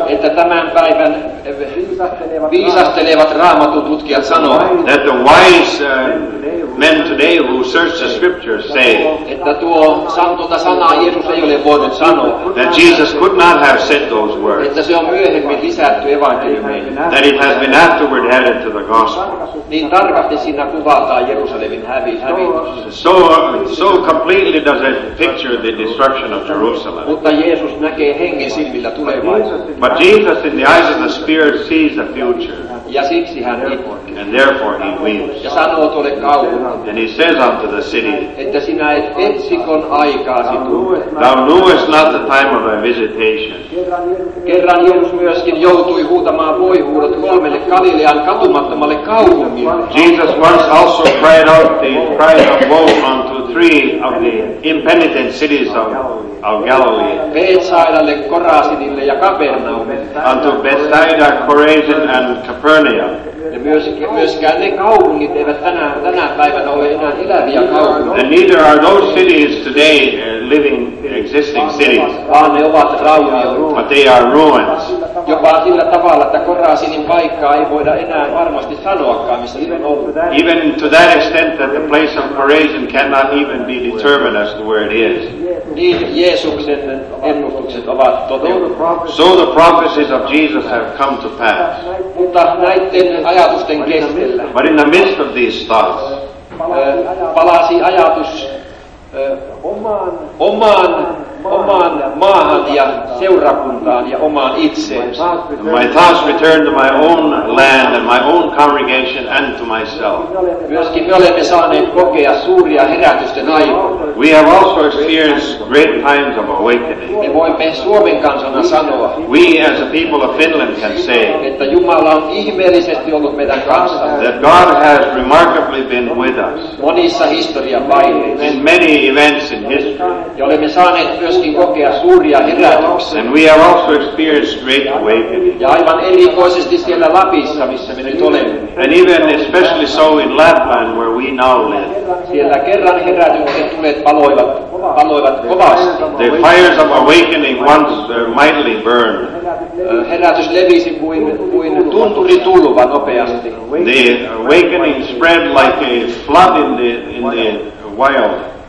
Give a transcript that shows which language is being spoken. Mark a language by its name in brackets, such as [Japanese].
[Finnish] Että tämän päivän viisastelevat raamatun tutkijat sanovat. [English] That the wise men today who search the scriptures say. [Finnish] Että tuo santota sanaa Jeesus ei ole voinut sanoa. [English] That Jesus could not have said those words. [Finnish] Että se on myöhemmin lisätty evankeliumiin. [English] That it has been afterward added to the gospel. [Finnish] Niin tarkasti siinä kuvataan Jerusalemin hävitys. [English] So completely does it picture the destruction of Jerusalem. [Finnish] Mutta Jeesus näkee hengen silmillä tulevaisuuden. [English] But Jesus in the eyes of the Spirit sees the future. [Finnish] Ja siksi hän itki. [English] And therefore he weeps. [Finnish] Ja sanoo tuolle kaupungille. [English] And he says unto the city. [Finnish] Että sinä et etsikon aikaasi tule. [English] Thou knewest not the time of thy visitation. [Finnish] Kerran Jeesus myöskin joutui huutamaan voihuudot kolmelle Galilean katumattomalle kaupungille. [English] Jesus once also cried out the cry of woe unto three of the impenitent cities of Galilee. [Finnish] Bethsaidalle, Korasinille ja Kapernaumille. [English] Unto Bethsaida, Chorazin and Capernaum. [Finnish] Ja myöskään ne kaupungit eivät tänä päivänä ole enää eläviä kaupungit. [English] And neither are those cities today living existing cities. [Finnish] Vaan ne ovat raunioita. [English] But they are ruins. [Finnish] Jopa sillä tavalla, että Korasinin paikkaa ei voida enää varmasti sanoakaan, missä niin on. [English] Even to that extent that the place of Chorazin cannot even be determined as to where it is. [Finnish] Niin Jeesuksen ennustukset ovat toteutuneet. [English] So the prophecies of Jesus have come to pass. [Finnish] Mutta näiden ajatusten keskellä. [English] But in the midst of these thoughts. [Finnish] Palasi ajatus omaan maahan ja seurakuntaan ja omaan itseensä. [English] My thoughts returned to my own land and my own congregation and to myself. [Finnish] Myöskin me olemme saaneet kokea suuria herätysten aikoja. [English] We have also experienced great times of awakening. [Finnish] Me voimme Suomen kansana sanoa. [English] We as a people of Finland can say. [Finnish] Että Jumala on ihmeellisesti ollut meidän kanssa. [English] That God has remarkably been with us. [Finnish] Monissa historian vaiheissa. [English] In many events in history. [Finnish] Ja olemme saaneet myöskin kokea suuria herätyksiä. [English] And we have also experienced great awakening. [Finnish] Ja aivan erikoisesti siellä Lapissa, missä me nyt olemme. [English] And even especially so in Lapland, where we now live. [Finnish] Siellä kerran herätykset tulet paloivat kovasti. [English] The fires of awakening once mightily burned. [Finnish] Herätys levisi kuin tunturi tulva nopeasti. [English] The awakening spread like a flood in the wild.